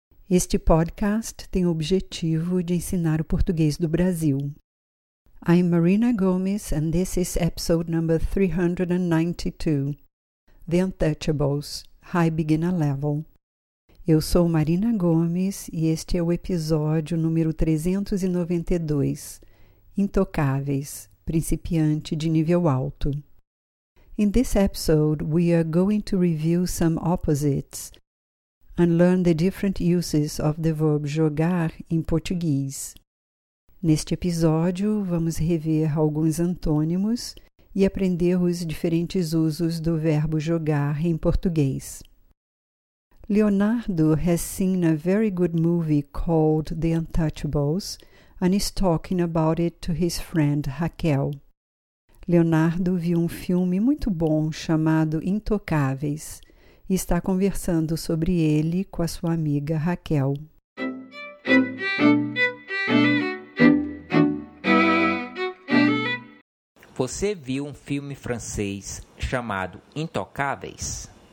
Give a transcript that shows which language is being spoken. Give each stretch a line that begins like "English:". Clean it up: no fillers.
Portuguese: Este podcast tem o objetivo de ensinar o português do Brasil.
English: I'm Marina Gomes, and this is episode number 392, The Untouchables, High Beginner Level.
Portuguese: Eu sou Marina Gomes e este é o episódio número 392, Intocáveis, Principiante de Nível Alto.
English: In this episode, we are going to review some opposites and learn the different uses of the verb jogar in Portuguese.
Portuguese: Neste episódio, vamos rever alguns antônimos e aprender os diferentes usos do verbo jogar em português.
English: Leonardo has seen a very good movie called The Untouchables and is talking about it to his friend Raquel.
Portuguese: Leonardo viu um filme muito bom chamado Intocáveis e está conversando sobre ele com a sua amiga Raquel. Você viu um filme francês chamado Intocáveis?